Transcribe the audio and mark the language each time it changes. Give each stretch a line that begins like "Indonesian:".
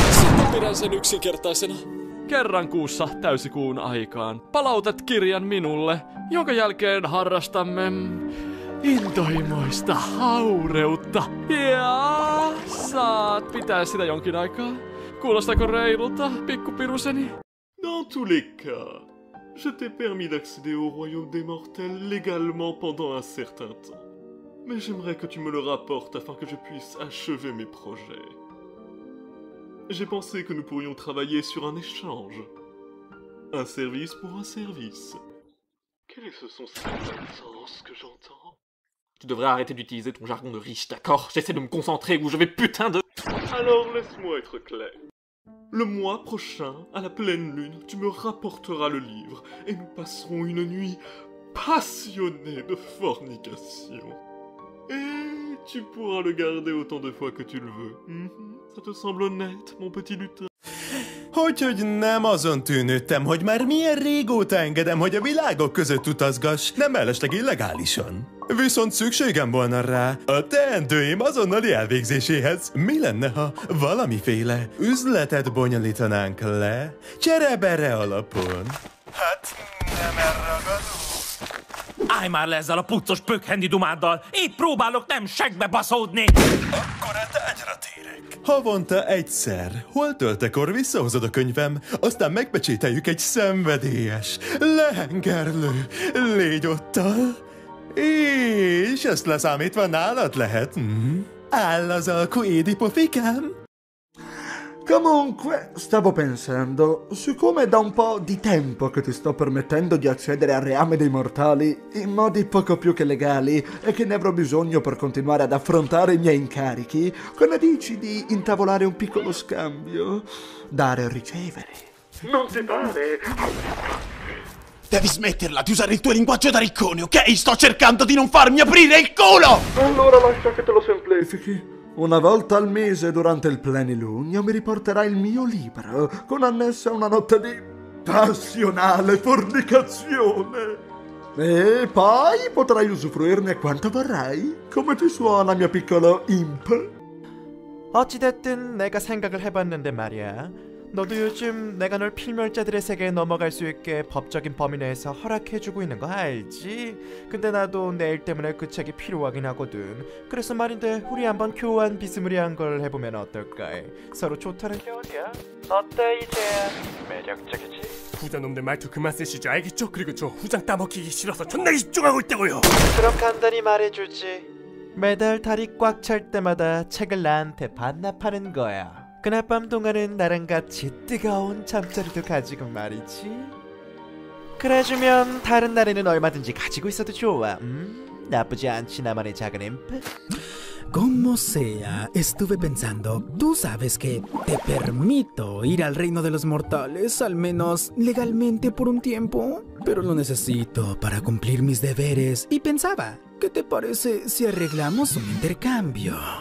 Finnish: Sitten pidän sen yksinkertaisena. Kerran kuussa täysikuun aikaan palautat kirjan minulle, jonka jälkeen harrastamme intohimoista haureutta. Ja saat pitää sitä jonkin aikaa. Kuulostako reilulta, pikkupiruseni?
French: Dans tous les cas, je t'ai permis d'accéder au royaume des mortels légalement pendant un certain temps. Mais j'aimerais que tu me le rapportes afin que je puisse achever mes projets. J'ai pensé que nous pourrions travailler sur un échange. Un service pour un service. Quel est ce son si intense que j'entends? Tu devrais arrêter d'utiliser ton jargon de riche, d'accord? J'essaie de me concentrer ou je vais putain de... Alors laisse-moi être clair. Le mois prochain, à la pleine lune, tu me rapporteras le livre et nous passerons une nuit passionnée de fornication. Et tu pourras le garder autant de fois que tu le veux. Ça te semble honnête, mon petit lutin?
Hungarian: Hogy nem azon tűnődtem, hogy már milyen régóta engedem, hogy a világok között utazgass, nem mellesleg illegálisan. Viszont szükségem volna rá a teendőim azonnali elvégzéséhez. Mi lenne, ha valamiféle üzletet bonyolítanánk le? Cserebere alapon. Hát nem elragadó. Állj már le ezzel a puccos pökhendi dumáddal! Épp próbálok nem seggbe baszódni! Akkor a tárgyra térek. Havonta egyszer, hol töltekor visszahozod a könyvem, aztán megpecsételjük egy szenvedélyes, lehengerlő légyottal. És ezt leszámítva nálad lehet? Áll az alkú édipofikám?
Italian: Comunque, stavo pensando, siccome da un po' di tempo che ti sto permettendo di accedere al reame dei mortali in modi poco più che legali e che ne avrò bisogno per continuare ad affrontare i miei incarichi, cosa dici di intavolare un piccolo scambio? Dare o ricevere? Non ti pare? Devi smetterla di usare il tuo linguaggio da riccone, ok? Sto cercando di non farmi aprire il culo! Allora lascia che te lo semplifichi. Una volta al mese, durante il plenilunio, mi riporterà il mio libro, con annessa una notte di passionale fornicazione. E poi potrai usufruirne quanto vorrai. Come ti suona, mio piccolo imp?
Korean: 어찌됐든 내가 생각을 해봤는데 말이야. 너도 요즘 내가 널 필멸자들의 세계에 넘어갈 수 있게 법적인 범위 내에서 허락해주고 있는 거 알지? 근데 나도 내일 때문에 그 책이 필요하긴 하거든. 그래서 말인데 우리 한번 교환 비스무리한 걸 해보면 어떨까? 서로 좋다는 게 어디야? 어때 이제? 매력적이지? 부자놈들 말투 그만 쓰시죠, 알겠죠? 그리고 저 후장 따먹히기 싫어서 존나 집중하고 있다고요! 그렇게 한다니 말해주지. 매달 다리 꽉 찰 때마다 책을 나한테 반납하는 거야. 그날 밤 동안은 나랑 같이 뜨거운 잠자리도 가지고 말이지. 그래주면 다른 날에는 얼마든지 가지고 있어도 좋아. 나쁘지 않지, 나만의 작은 앰프.
Spanish: Como sea, estuve pensando, tú sabes que te permito ir al reino de los mortales, al menos legalmente por un tiempo, pero lo necesito para cumplir mis deberes y pensaba, ¿qué te parece si arreglamos un intercambio?